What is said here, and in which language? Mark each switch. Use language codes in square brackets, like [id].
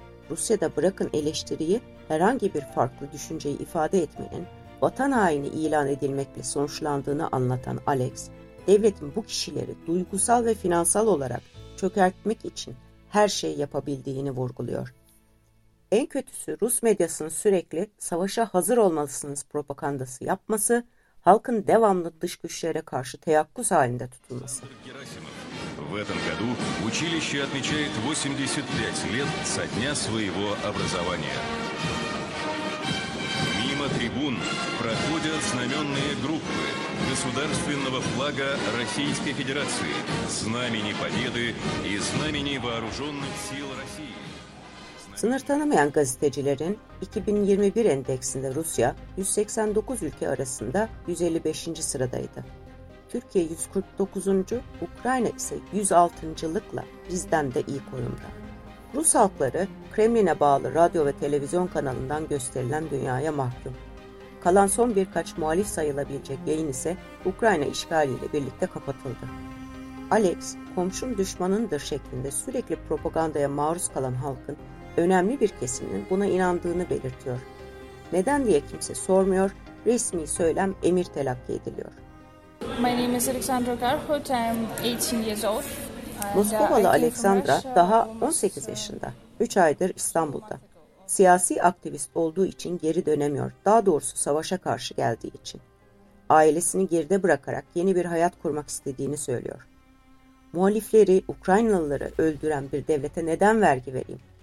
[tr] Rusya'da bırakın eleştiriyi, herhangi bir farklı düşünceyi ifade etmenin vatan haini ilan edilmekle sonuçlandığını anlatan Alex, devletin bu kişileri duygusal ve finansal olarak çökertmek için her şeyi yapabildiğini vurguluyor. En kötüsü Rus medyasının sürekli savaşa hazır olmalısınız propagandası yapması, halkın devamlı dış güçlere karşı teyakkuz halinde tutulması. [ru] В этом году училище отмечает 85 лет со дня своего образования. Мимо трибун проходят знаменные группы государственного флага Российской Федерации, знамени Победы и знамени вооруженных сил России. [tr] Sınır tanımayan gazetecilerin 2021 endeksinde Rusya 189 ülke arasında 155. sıradaydı. Türkiye 149. Ukrayna ise 106.lıkla bizden de iyi konumda. Rus halkları Kremlin'e bağlı radyo ve televizyon kanalından gösterilen dünyaya mahkum. Kalan son birkaç muhalif sayılabilecek yayın ise Ukrayna işgaliyle birlikte kapatıldı. Alex, komşum düşmanındır şeklinde sürekli propagandaya maruz kalan halkın önemli bir kesiminin buna inandığını belirtiyor. Neden diye kimse sormuyor, resmi söylem emir telakki ediliyor. [en] My name is Alexandra Garhut, I'm 18 years old. [tr] Moskovalı Alexandra daha 18 yaşında, 3 aydır İstanbul'da. Siyasi aktivist olduğu için geri dönemiyor, daha doğrusu savaşa karşı geldiği için. Ailesini geride bırakarak yeni bir hayat kurmak istediğini söylüyor. Muhalifleri, Ukraynalıları öldüren bir devlete neden vergi vereyim?